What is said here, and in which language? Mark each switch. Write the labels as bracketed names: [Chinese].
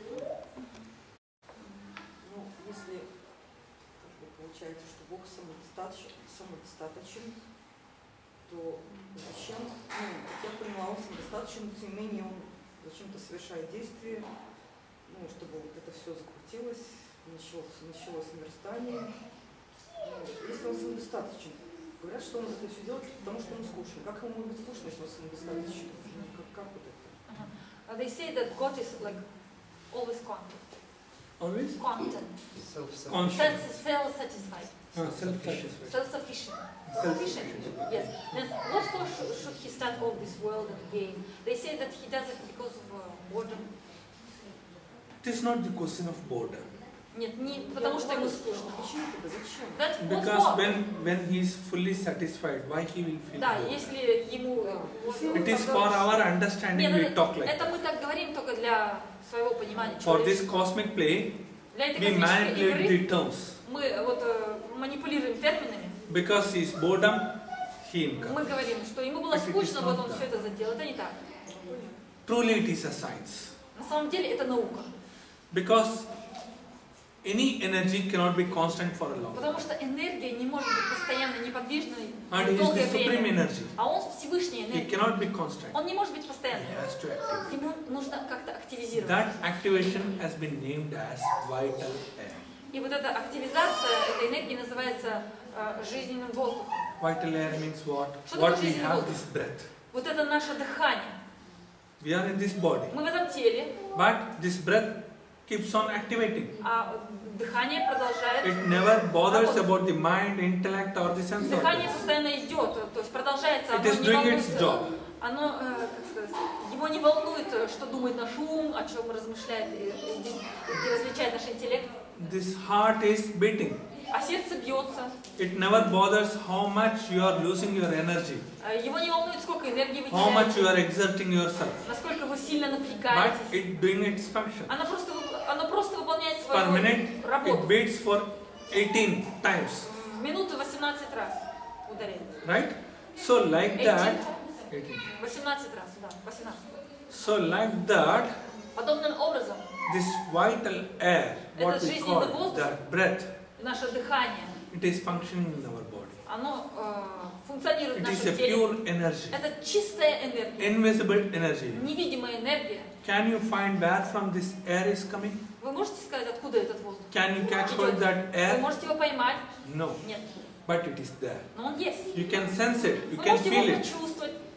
[Russian] Ну, если получается, что Бог самодостаточен, то зачем, как я поняла, он самодостаточен, но тем не менее он зачем-то совершает действия, ну, чтобы вот это все закрутилось, началось нарастание. Если он самодостаточен, говорят, что он это все делает, потому что ему скучно. Как ему может быть скучно, если он самодостаточен? Как вот это? [English] They say that God is like always content. Always? Content. Self-satisfied. Self-sufficient. Yes. Then what for should he start all this world and gain? They say that he does it because of boredom. It is not the question of boredom. [Russian] Нет, не потому что ему скучно. Почему это? Зачем? [English] Because when he is fully satisfied, why he will feel bored? [Russian] Да, если ему... [English] It is for our understanding we talk like that. [Russian] Это мы так говорим только для... [English] For this cosmic play, we manipulate the terms. [Russian] Мы вот манипулируем терминами. [English] Because he is boredom, he incurs. [Russian] Мы говорим, что ему было скучно, вот он все это задел. Это не так. [English] Truly, it is a science. [Russian] На самом деле, это наука. [English] Because any energy cannot be constant for a long. [Russian] Потому что энергия не может быть постоянной, неподвижной долгое время. [English] And he is the supreme energy. [Russian] А он всевышняя энергия. [English] He cannot be constant. [Russian] Он не может быть постоянным. [English] He has to activate. [Russian] Ему нужно как-то активизировать. [English] That activation has been named as vital air. [Russian] И вот эта активизация этой энергии называется жизненным воздухом. [English] Vital air means what? [Russian] Что такое жизненный воздух? [English] What we have this breath. [Russian] Вот это наше дыхание. [English] We are in this body. [Russian] Мы в этом теле. [English] But this breath keeps on activating. [Russian] А дыхание продолжает. [English] It never bothers about the mind, intellect or the sense organs. [Russian] Дыхание постоянно идет, то есть продолжается. [English] It is doing its job. [Russian] Оно, как сказать, его не волнует, что думает наш ум, о чем размышляет и различает наш интеллект. [English] This heart is beating. [Russian] А сердце бьется. [English] It never bothers how much you are losing your energy. [Russian] Его не волнует, сколько энергии вы теряете. [English] How much you are exerting yourself. [Russian] Насколько вы сильно напрягаетесь. [English] But it doing its function. [Russian] Она просто оно просто выполняет свою [English] per minute, [Russian] работу. [English] It beats for 18 times. [Russian] Минуты 18 раз ударение. [English] Right? So like that. [Russian] 18 раз, да, 18. [English] So like that. [Russian] Подобным образом. [English] This vital air, what we call that breath. [Russian] Наше дыхание. [English] It is functioning in our body. [Russian] Оно функционирует в нашем теле. [English] It is a pure energy. [Russian] Это чистая энергия. [English] Invisible energy. [Russian] Невидимая энергия. [English] Can you find where from this air is coming? [Russian] Вы можете сказать, откуда этот воздух? [English] Can you catch hold that air? [Russian] Вы можете его поймать? [English] No. [Russian] Нет. [English] But it is there. [Russian] Но он есть. [English] You can sense it. You [Russian] Вы [English] can feel it. [Russian] Вы можете его почувствовать.